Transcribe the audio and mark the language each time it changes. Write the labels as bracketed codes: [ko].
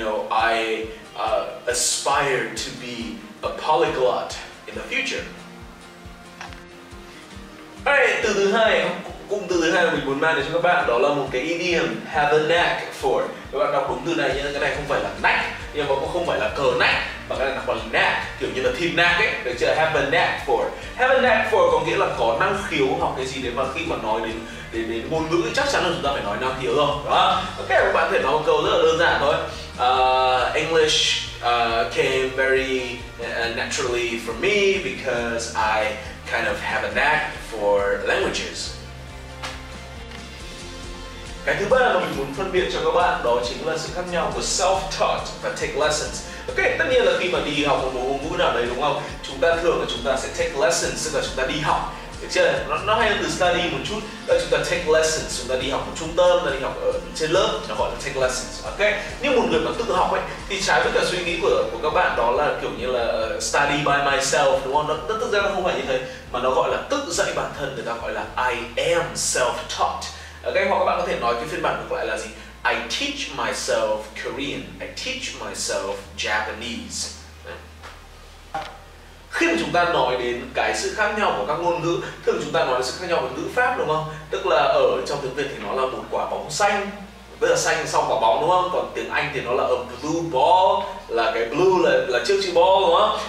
[en] I aspire to be a polyglot in the future. [vi] Hey, từ thứ hai, cụm từ thứ hai mình muốn mang đến cho các bạn đó là một cái idiom, [en] have a knack for. [vi] Các bạn đọc đúng từ này, nhưng cái này không phải là knack, nhưng mà cũng không phải là cờ knack, mà cái này đọc là knack, kiểu như là thịt knack ấy, được chưa? [en] Have a knack for. [vi] Have a knack for có nghĩa là có năng khiếu hoặc cái gì đấy mà khi mà nói đến ngôn ngữ thì chắc chắn là chúng ta phải nói năng khiếu rồi, đó. Ok, các bạn có thể nói một câu rất là đơn giản thôi. [en] English came very naturally for me because I kind of have a knack for languages. [vi] Cái thứ ba mà mình muốn phân biệt cho các bạn đó chính là sự khác nhau của self-taught và take lessons. Ok, tất nhiên là khi mà đi học một ngôn ngữ nào đấy, đúng không? Chúng ta thường là chúng ta sẽ take lessons, tức là chúng ta đi học. Được chưa? Nó hay hơn từ study một chút, là chúng ta take lessons, chúng ta đi học ở trung tâm, là đi học ở trên lớp, nó gọi là take lessons. Ok, nhưng một người mà tự học ấy, thì trái với cả suy nghĩ của các bạn đó là kiểu như là [en] study by myself, [vi] đúng không? Nó thực ra nó không phải như thế, mà nó gọi là tự dạy bản thân, người ta gọi là [en] I am self-taught. [vi] Ok, hoặc các bạn có thể nói cái phiên bản ngược lại là gì? [en] I teach myself Korean, I teach myself Japanese. [vi] Khi mà chúng ta nói đến cái sự khác nhau của các ngôn ngữ, thường chúng ta nói đến sự khác nhau của ngữ pháp, đúng không? Tức là ở trong tiếng Việt thì nó là một quả bóng xanh, tức là xanh sau quả bóng, đúng không? Còn tiếng Anh thì nó là [en] a blue ball, [vi] là cái blue là trước chữ ball, đúng không?